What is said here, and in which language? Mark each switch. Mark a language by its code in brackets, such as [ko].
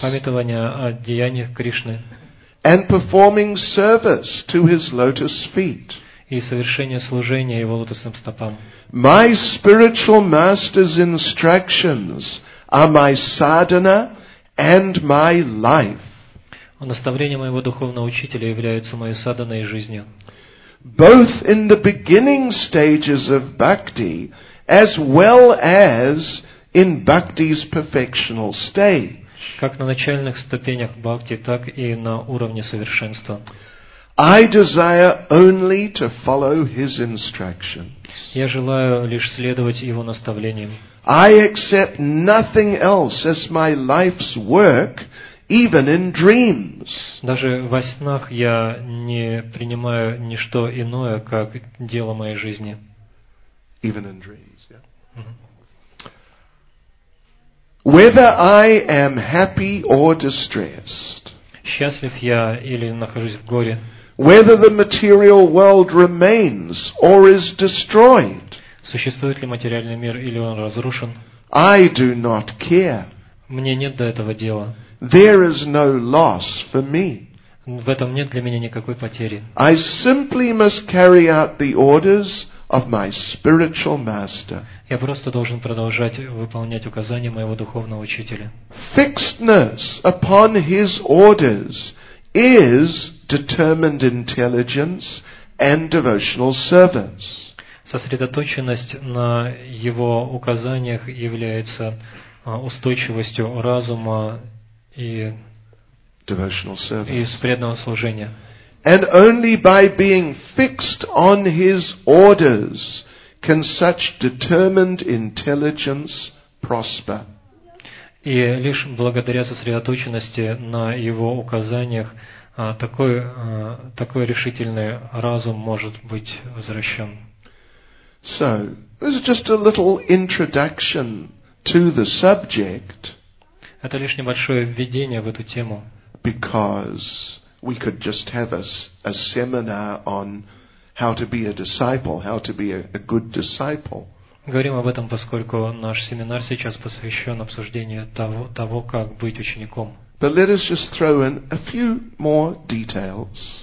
[ru] Памятование о деяниях Кришны. [en] And performing service to his lotus feet. [ru] И совершение служения его лотосным стопам. [en] My spiritual master's instructions are my sadhana and my life. [ru] Наставления моего духовного учителя являются моей садханой и жизнью. [en] Both in the beginning stages of bhakti, as well as in bhakti's perfectional stage. [ru] Как на начальных ступенях бхакти, так и на уровне совершенства. [en] I desire only to follow his instructions. [ru] Я желаю лишь следовать его наставлениям. [en] I accept nothing else as my life's work. Even in dreams. [ru] Даже во снах я не принимаю ничто иное, как дело моей жизни. [en] Even in dreams, yeah. Whether I am happy or distressed. [ru] Счастлив я или нахожусь в горе. [en] Whether the material world remains or is destroyed. [ru] Существует ли материальный мир или он разрушен? [en] I do not care. [ru] Мне нет до этого дела. [en] There is no loss for me. [ru] В этом нет для меня никакой потери. [en] I simply must carry out the orders of my spiritual master. [ru] Я просто должен продолжать выполнять указания моего духовного учителя. [en] Fixedness upon his orders is determined intelligence and devotional service. [ru] Сосредоточенность на его указаниях является устойчивостью разума и [en] devotional service. [ru] Из преданного служения. [en] And only by being fixed on his orders can such determined intelligence prosper. [ru] И лишь благодаря сосредоточенности на его указаниях такой решительный разум может быть возвращен. [en] So, this is just a little introduction to the subject. [ru] Это лишь небольшое введение в эту тему. [en] Because we could just have a seminar on how to be a disciple, how to be a good disciple. [ru] Говорим об этом, поскольку наш семинар сейчас посвящен обсуждению того, как быть учеником. [en] But let us just throw in a few more details.